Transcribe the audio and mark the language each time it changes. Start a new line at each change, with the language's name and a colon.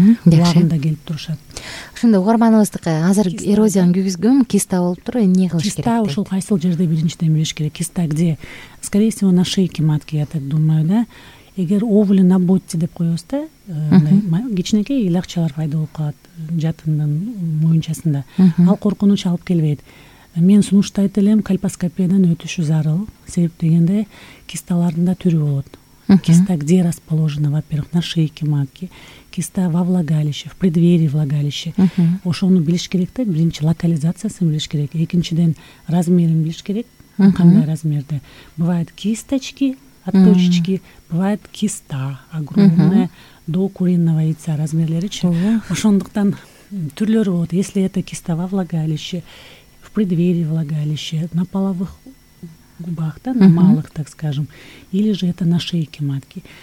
Kyrgyz: Убагында келип турушат. Ошондо угарманыбыздыкы азыр эрозияны күйгүзгөн киста болуп туруп, эмне кылыш керек? Киста ушул кайсыл жерде биринчиден билиш керек.
Russian: Киста где? Скорее всего, на шейке матки, я так думаю, да.
Kyrgyz: Эгер овули на ботте деп коебуз да, кичинекей илакчалар пайда болуп калат жатындын моюнчасында. Ал коркунуч алып келбейт. Мен сунуштайт элем кальпоскопиядан өтүшү зарыл. Себеп дегенде кисталардын да түрү болот.
Russian: Киста где расположена, во-первых, на шейке матки, киста во влагалище, в преддверии влагалища.
Kyrgyz: Ошону билиш керек да, биринчи локализациясын билиш керек, экинчиден размерин билиш керек, кандай размерде.
Russian: Бывают кисточки от точечки, бывает киста огромная до куриного яйца размерлеричи.
Kyrgyz: Ошондуктан түрлөрү болот.
Russian: Если это киста во влагалище, в преддверии влагалища, на половых губах, да, на малых, так скажем, или же это на шейке матки.